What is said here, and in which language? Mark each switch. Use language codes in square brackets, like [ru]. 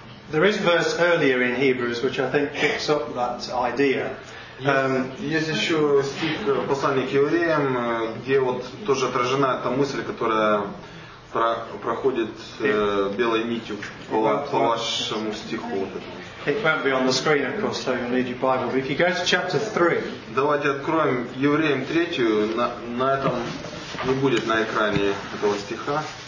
[en] There is a verse earlier in Hebrews which I think picks up that idea. [ru] Есть еще стих в послании к евреям, где вот тоже отражена эта мысль, которая проходит белой нитью по вашему стиху. [en] It won't be on the screen, of course, so you'll need your Bible. But if you go to chapter 3. [ru] Давайте откроем Евреям 3. На этом не будет на экране этого стиха.